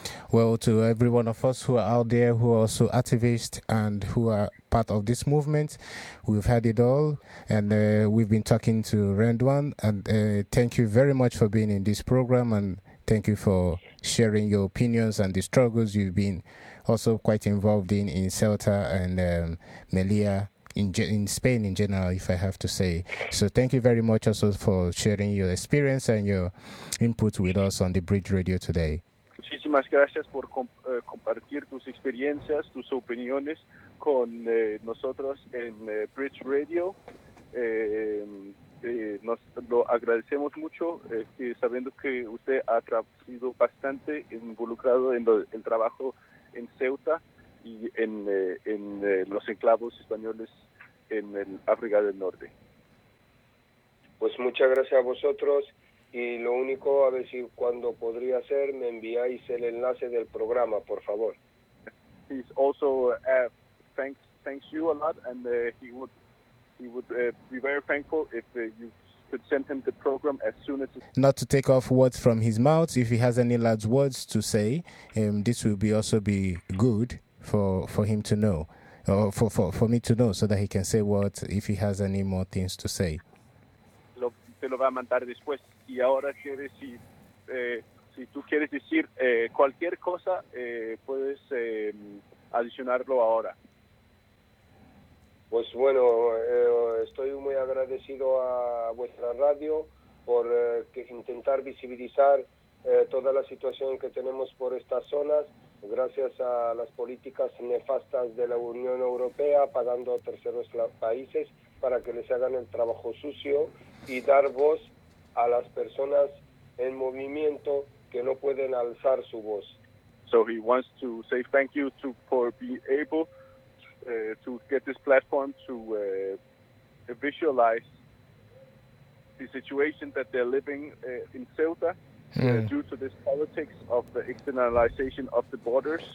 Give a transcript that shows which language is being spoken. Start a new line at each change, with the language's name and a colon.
English: Well, to every one of us who are out there, who are also activists and who are part of this movement, we've had it all, and we've been talking to Reduan, and thank you very much for being in this program, and thank you for sharing your opinions and the struggles you've been also quite involved in Ceuta and Melilla, in Spain in general, if I have to say. So thank you very much also for sharing your experience and your input with us on the Bridge Radio today.
Spanish: Muchísimas gracias por compartir tus experiencias, tus opiniones con nosotros en Bridge Radio. Nos lo agradecemos mucho, sabiendo que usted ha sido bastante involucrado en el trabajo en Ceuta y en los enclavos españoles en el África del Norte. Pues muchas gracias a vosotros. Y lo único, a ver si cuando podría ser, me enviáis el enlace del programa, por favor.
English: He's also thanks you a lot, and he would be very thankful if you could send him the program as soon as. Not to take off words from his mouth, if he has any last words to say, this will be also be good for him to know, or for me to know, so that he can say what if he has any more things to say.
Spanish: Te lo va a mandar después. Y ahora quieres, si tú quieres decir cualquier cosa, puedes adicionarlo ahora. Pues bueno, estoy muy agradecido a vuestra radio por intentar visibilizar toda la situación que tenemos por estas zonas, gracias a las políticas nefastas de la Unión Europea, pagando a terceros países para que les hagan el trabajo sucio y dar voz a las personas en movimiento que no pueden alzar su voz.
English: So he wants to say thank you to for being able to get this platform to visualize the situation that they're living in Ceuta due to this politics of the externalization of the borders.